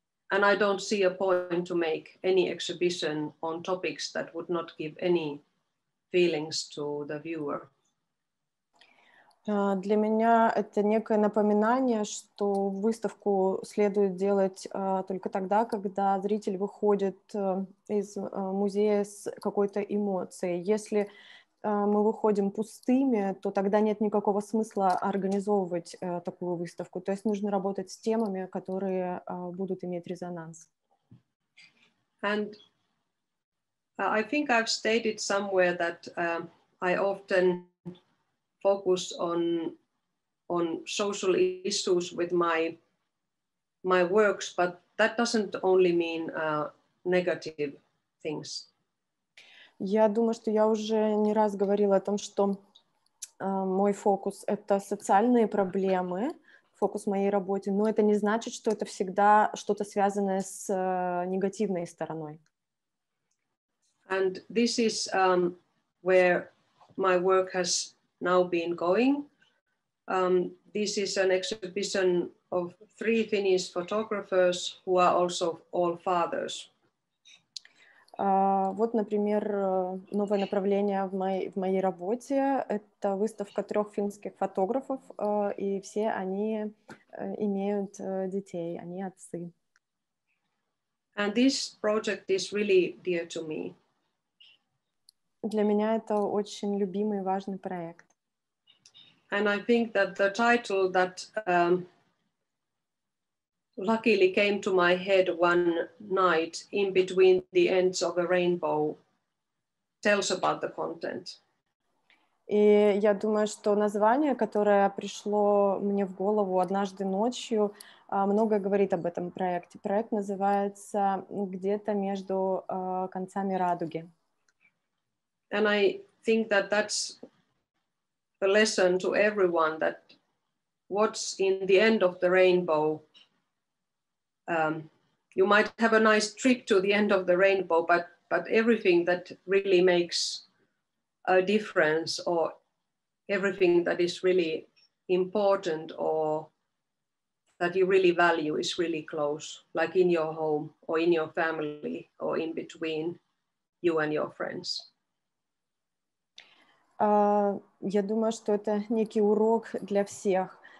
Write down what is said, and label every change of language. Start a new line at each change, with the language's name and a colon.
English: And I don't see a point to make any exhibition on topics that would not give any feelings to the viewer.
Russian: Для меня это некое напоминание, что выставку следует делать только тогда, когда зритель выходит из музея с какой-то эмоцией. Если мы выходим пустыми, то тогда нет никакого смысла организовывать такую выставку. То есть нужно работать с темами, которые будут иметь резонанс.
English: And I think I've stated somewhere that I often focus on social issues with my works, but that doesn't only mean negative things.
Russian: Я думаю, что я уже не раз говорила о том, что мой фокус — это социальные проблемы, фокус моей работы, но это не значит, что это всегда что-то связанное с негативной стороной.
English: And this is where my work has now been going. This is an exhibition of three Finnish photographers who are also all fathers.
Russian: Вот, например, новое направление в моей работе — это выставка трех финских фотографов, и все они имеют детей, они отцы.
English: And this project is really dear to me.
Russian: Для меня это очень любимый и важный проект.
English: And I think that the title that luckily came to my head one night in between the ends of a rainbow tells about the content.
Russian: И я думаю, что название, которое пришло мне в голову однажды ночью, многое говорит об этом проекте. Проект называется «Где-то между концами радуги».
English: And I think that that's a lesson to everyone, that what's in the end of the rainbow, you might have a nice trip to the end of the rainbow, but everything that really makes a difference, or everything that is really important, or that you really value, is really close, like in your home or in your family or in between you and your friends.
Russian: Я думаю, что это некий урок для всех.